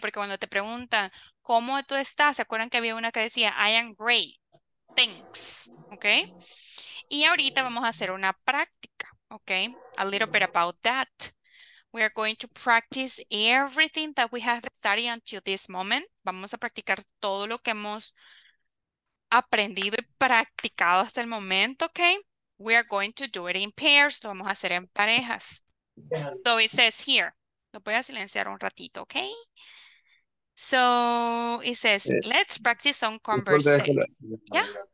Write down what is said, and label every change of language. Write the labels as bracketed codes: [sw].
[es] Porque cuando te preguntan cómo tú estás, ¿se acuerdan que había una que decía [en] I am great? [es] Thanks, ¿ok? Y ahorita vamos a hacer una práctica, ¿ok? [en] A little bit about that. We are going to practice everything that we have studied until this moment. [es] Vamos a practicar todo lo que hemos aprendido y practicado hasta el momento, ¿ok? [en] We are going to do it in pairs. [es] Lo vamos a hacer en parejas. [en] So it says here, [es] Lo voy a silenciar un ratito, ¿ok? [en] So, it says, let's practice some conversation. [es] ¿Ya?